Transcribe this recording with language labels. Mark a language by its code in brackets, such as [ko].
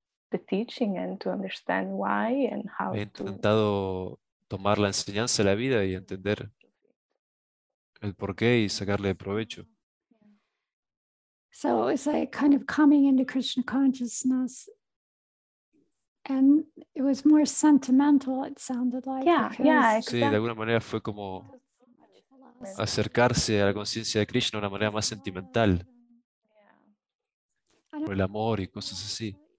[en] The teaching and to understand why and how. [es] He intentado tomar la enseñanza de la vida y entender el porqué y sacarle provecho. [en] So it's like kind of coming into Krishna consciousness, and it was more sentimental. It sounded like. Yeah, [es] sí, de alguna manera fue como acercarse a la conciencia de Krishna de una manera más sentimental, por el amor y cosas así.